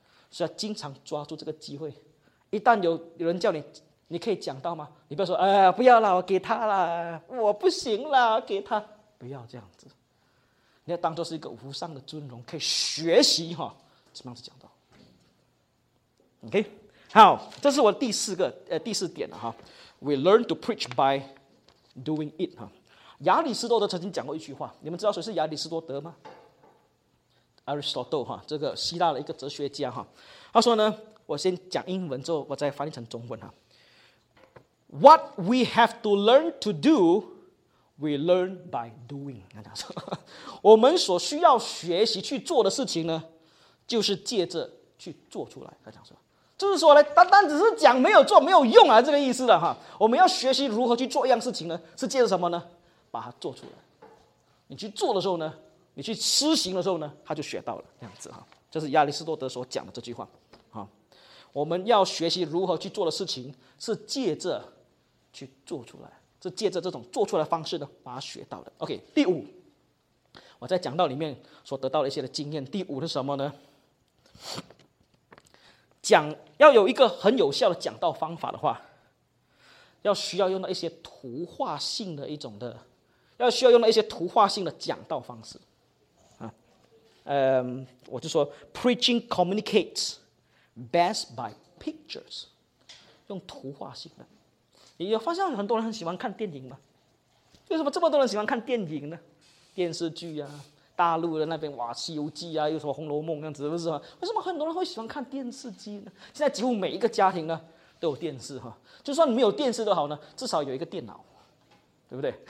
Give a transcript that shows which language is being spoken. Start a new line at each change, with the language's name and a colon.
Chinese: 所以要经常抓住这个机会，一旦有人叫你你可以讲到吗，你不要说哎，不要啦，我给他啦，我不行啦，给他，不要这样子。你要当作是一个无上的尊荣，可以学习哈，怎么样子讲到。 OK, 好，这是我第四个、第四点了哈。
English: We learn to preach by doing it 哈。
Chinese: 亚里士多德曾经讲过一句话，你们知道谁是亚里士多德吗 ？Aristotle 哈，这个希腊的一个哲学家哈。他说呢，我先讲英文，之后我再翻译成中文哈。
English: What we have to learn to do, we learn by doing。
Chinese: 我们所需要学习去做的事情呢，就是借着去做出来，他讲说，就是说呢，单单只是讲没有做没有用啊，这个意思的哈。我们要学习如何去做一样事情呢，是借着什么呢？把它做出来。你去做的时候呢，你去施行的时候呢，他就学到了这样子哈。这是亚里士多德所讲的这句话啊。我们要学习如何去做的事情，是借着去做出来，是借着这种做出来的方式的把它学到的。OK， 第五，我在讲道里面所得到的一些的经验，第五是什么呢？讲要有一个很有效的讲道方法的话，要需要用到一些图画性的一种的，要需要用到一些图画性的讲道方式。我就说
English: preaching communicates best by pictures，
Chinese: 用图画性的。你有发现很多人很喜欢看电影吗？为什么这么多人喜欢看电影呢？电视剧啊，大陆的那边哇，西游记啊，又什么红楼梦这样子，不是吗？为什么很多人会喜欢看电视机呢？现在几乎每一个家庭呢都有电视哈，就算你没有电视都好呢，至少有一个电脑，对不对？